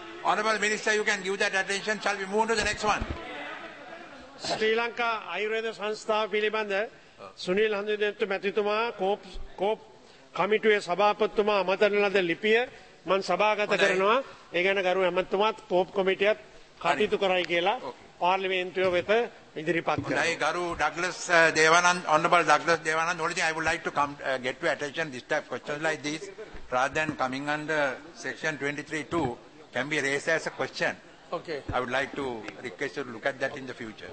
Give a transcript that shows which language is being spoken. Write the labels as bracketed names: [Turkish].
[English] Honourable minister you can give that attention shall we move on to the next one. [Sinhala] ශ්‍රී ලංකා ආයුර්වේද සංස්ථාව පිළිබඳ සුනිල් හඳුනිගත් මැතිතුමා COPE කමිටුවේ සභාපතිතුමා අමතන ලද ලිපිය මම සභාගත කරනවා. ඒ ගැන ගරු ඇමතිතුමාත් කෝප් කමිටියත් කටයුතු කරයි කියලා පාර්ලිමේන්තුව වෙත ඉදිරිපත් කරනවා. නයි ගරු [English] Douglas Devananda honourable Douglas Devananda ඔලිටින් I would like to come get your attention this type questions like this rather than coming under section 23(2) can be raised as a question. Okay. I would like to request you to look at that in the future.